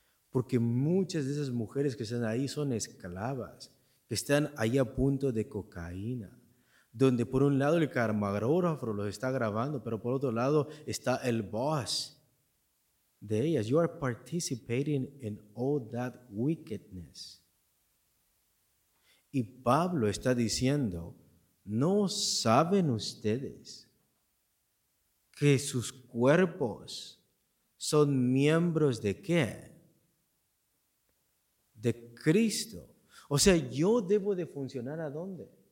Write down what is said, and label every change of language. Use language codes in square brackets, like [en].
[es] Porque muchas de esas mujeres que están ahí son esclavas, que están ahí a punto de cocaína, donde por un lado el camarógrafo los está grabando, pero por otro lado está el boss de ellas. [en] You are participating in all that wickedness. [es] Y Pablo está diciendo, ¿no saben ustedes que sus cuerpos son miembros de qué? De Cristo. O sea, yo debo de funcionar ¿a dónde?